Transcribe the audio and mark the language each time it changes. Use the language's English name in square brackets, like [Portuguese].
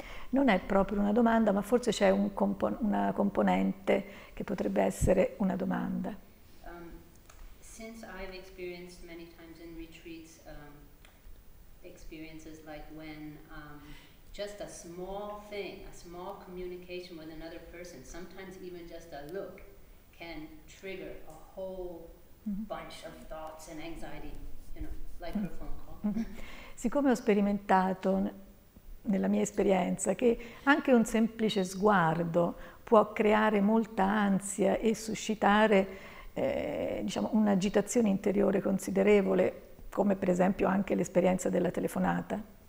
[Italian] Non è proprio una domanda, ma forse c'è una componente che potrebbe essere una domanda. [English] Since I've experienced many times in retreats, experiences like when just a small communication with another person, sometimes even just a look, can trigger a whole bunch of thoughts and anxiety, you know, like a phone call. [Italian] Siccome ho sperimentato nella mia esperienza che anche un semplice sguardo può creare molta ansia e suscitare diciamo un'agitazione interiore considerevole, come per esempio anche l'esperienza della telefonata.